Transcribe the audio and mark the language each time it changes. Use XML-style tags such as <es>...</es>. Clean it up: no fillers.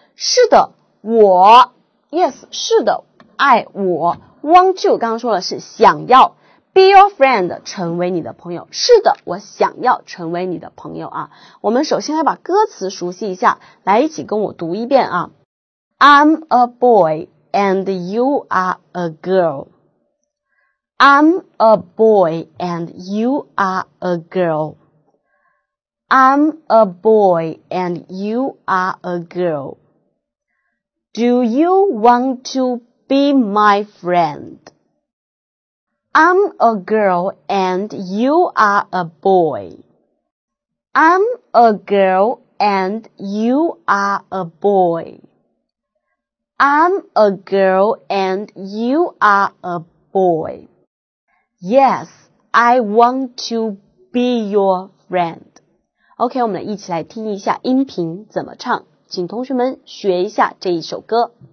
<zh>是的，我</zh> <en>Yes,</en> <zh>是的，爱我</zh> <en>Want to,</en> <zh>刚刚说了是想要</zh> <en>Be your friend,</en> <zh>成为你的朋友。是的，我想要成为你的朋友啊。我们首先来把歌词熟悉一下，来一起跟我读一遍啊。</zh> <en>I'm a boy and you are a girl. I'm a boy and you are a girl. I'm a boy and you are a girl. Do you want to be my friend? I'm a girl and you are a boy. I'm a girl and you are a boy. I'm a girl and you are a boy. Yes, I want to be your friend.</en> <zh>OK, 我们来一起来听一下音频怎么唱，请同学们学一下这一首歌。</zh>